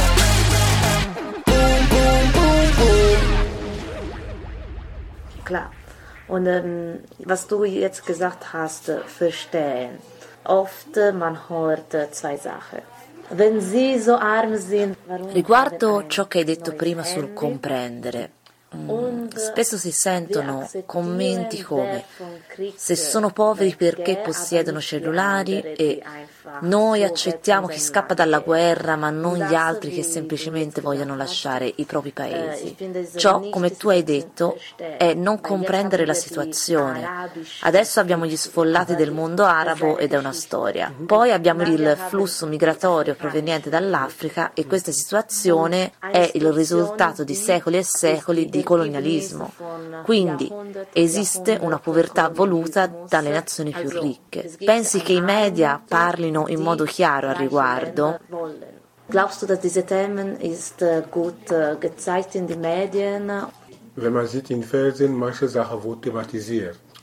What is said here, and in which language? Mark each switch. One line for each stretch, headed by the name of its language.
German: Boom, boom, boom, boom. Klar. Und was du jetzt gesagt hast, verstehen. Oft man hört zwei Sachen. Wenn sie so arm sind, warum?
Italian: Riguardo ciò che hai detto prima sul comprendere. Spesso si sentono commenti come: se sono poveri perché possiedono cellulari, e noi accettiamo chi scappa dalla guerra ma non gli altri che semplicemente vogliono lasciare i propri paesi. Ciò, come tu hai detto, è non comprendere la situazione. Adesso abbiamo gli sfollati del mondo arabo ed è una storia. Poi abbiamo il flusso migratorio proveniente dall'Africa e questa situazione è il risultato di secoli e secoli di colonialismo. Quindi esiste una povertà voluta dalle nazioni più ricche. Pensi che i media parlino in modo chiaro al riguardo?
German: Glaubst du, dass diese Themen ist gut gezeigt in die Medien? Wenn man sieht in Fernsehen, manche Sachen wurde thematisiert.